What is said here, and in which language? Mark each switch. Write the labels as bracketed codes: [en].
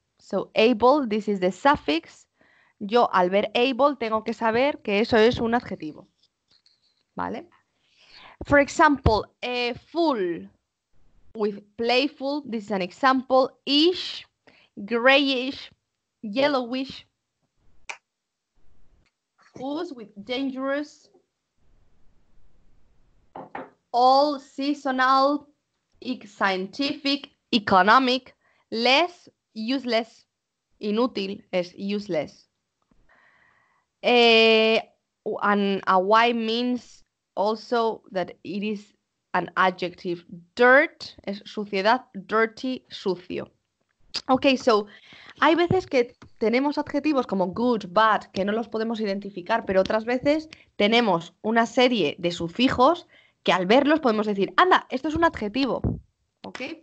[en] So able, this is the suffix. [es] Yo al ver able tengo que saber que eso es un adjetivo, ¿vale? [en] For example, full with playful, this is an example. Ish, grayish, yellowish. Who's with dangerous. All seasonal, scientific, economic, less, useless, inútil, es useless. And a why means also that it is an adjective. [es] Dirt, es suciedad, dirty, sucio. Okay, so, hay veces que tenemos adjetivos como good, bad, que no los podemos identificar, pero otras veces tenemos una serie de sufijos que al verlos podemos decir, anda, esto es un adjetivo, ¿ok?